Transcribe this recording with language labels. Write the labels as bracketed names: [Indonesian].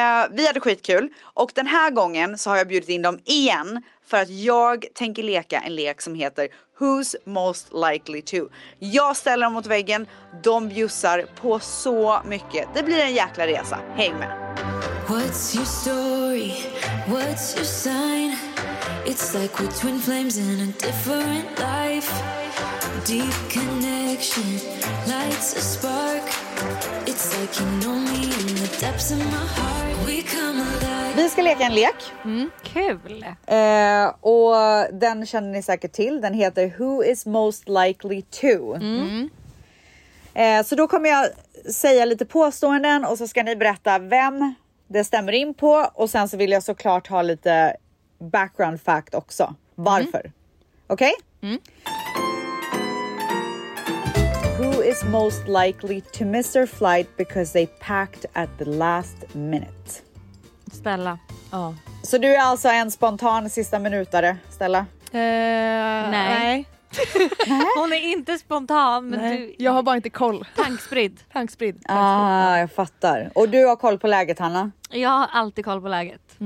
[Swedish] Vi hade skitkul och den här gången så har jag bjudit in dem igen för att jag tänker leka en lek som heter Who's Most Likely To. Jag ställer dem mot väggen, de bjussar på så mycket. Det blir en jäkla resa, häng med! [English] What's your story? What's your sign? It's like we're twin flames in a different life. Deep connection, lights a spark. It's like you know me in the depths of my heart. We come alive. [Swedish] Vi ska leka en lek. Kul. Och den känner ni säkert till. Den heter Who is most likely to? Så då kommer jag säga lite påståenden och så ska ni berätta vem det stämmer in på. Och sen så vill jag såklart ha lite background fact också. Varför? Okej? [English] Who is most likely to miss their flight because they packed at the last minute? [Swedish] Stella. Oh. Så du är alltså en spontan sista minutare, Stella? Nej. Hon är inte spontan. Men du... Jag har bara inte koll. Tankspridd. Ah, jag fattar. Och du har koll på läget, Hanna? Jag har alltid koll på läget.